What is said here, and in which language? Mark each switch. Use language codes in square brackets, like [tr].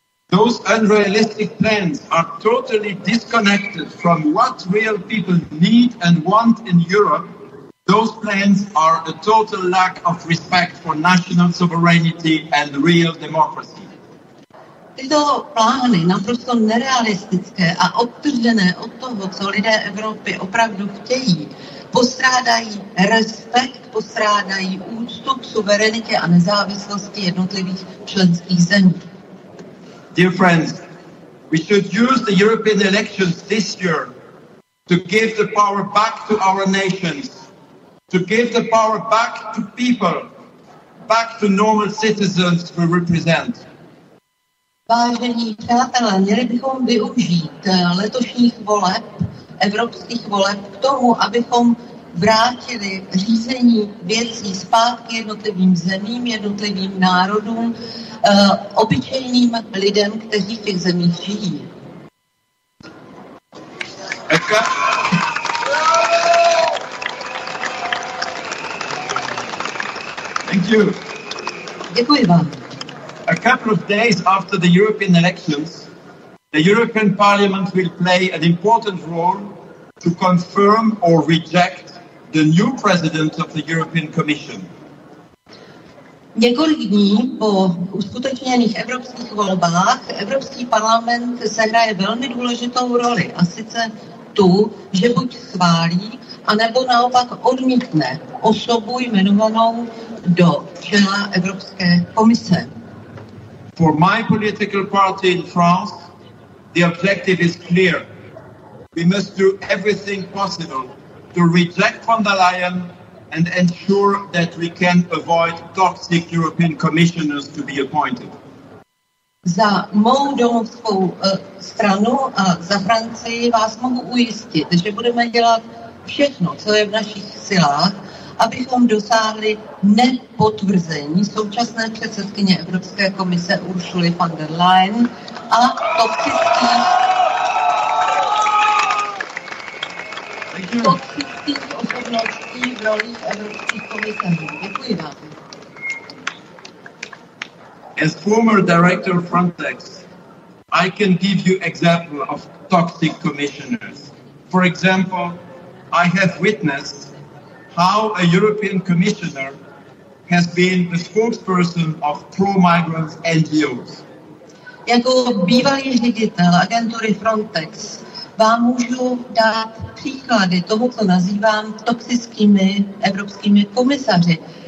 [en] Those unrealistic plans are totally disconnected from what real people need and want in Europe. Those plans are a total lack of respect for national sovereignty and real democracy. [cs] Tyto plány naprosto nerealistické a odtržené od toho, co lidé Evropy opravdu chtějí, postrádají respekt, postrádají úctu k suverenitě a nezávislosti jednotlivých členských zemí. [en] Dear friends, we should use the European elections this year to give the power back to our nations, to give the power back to people, back to normal citizens who represent. [cs] Vážení přátelé, měli bychom využít letošních voleb, evropských voleb k tomu, abychom vrátili řízení věcí zpátky jednotlivým zemím, jednotlivým národům, obyčejným lidem, kteří v těch zemích žijí. [en] Thank you. [cs] Děkuji vám. [en] A couple of days after the European elections, the European Parliament will play an important role to confirm or reject the new president of the European Commission. [cs] Několik dní po uskutečněných evropských volbách Evropský parlament sehraje velmi důležitou roli, a sice tu, že buď schválí, anebo naopak odmítne osobu jmenovanou do čela Evropské komise. [en] For my political party in France, the objective is clear. we must do everything possible to reject von der Leyen and ensure that we can avoid toxic European commissioners to be appointed. [cs] Za mou domovskou stranu a za Francii vás mohu ujistit, že budeme dělat všechno, co je v našich silách, abychom dosáhli nepotvrzení současné předsedkyně Evropské komise Ursuly von der Leyen a toxických osobností v rolích evropských komisařů. Děkuji vám. [en] As former director of Frontex, I can give you example of toxic commissioners. For example, I have witnessed how a European commissioner has been the spokesperson of pro-migrants NGOs. [cs] Jako bývalý ředitel agentury Frontex vám můžu dát příklady toho, co nazývám toxickými evropskými komisaři.